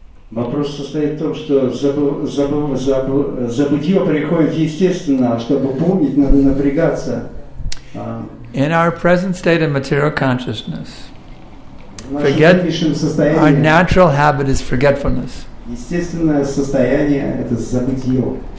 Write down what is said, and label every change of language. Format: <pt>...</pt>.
<ru>Вопрос состоит в том, что забытье приходит естественно, чтобы помнить, надо напрягаться.</ru> <en>In our present state of material consciousness, our natural habit is forgetfulness.</en> <ru>Естественное состояние – это забытье.</ru>